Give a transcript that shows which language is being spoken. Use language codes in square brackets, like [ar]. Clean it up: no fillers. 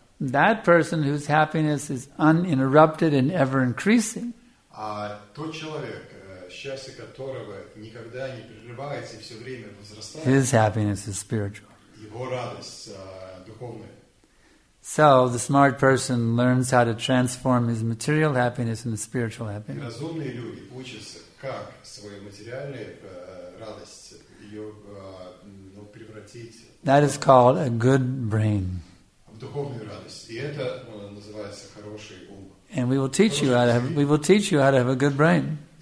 [en] That person whose happiness is uninterrupted and ever increasing. [ru] А тот человек, счастье которого никогда не прерывается и все время возрастает. [en] His happiness is spiritual. [ru] Его радость духовная. [en] So the smart person learns how to transform his material happiness into spiritual happiness. [ru] И разумные люди учатся, как свою материальную радость ее превратить. [en] That is called a good brain. And we will teach you how to have, we will teach you how to have a good brain.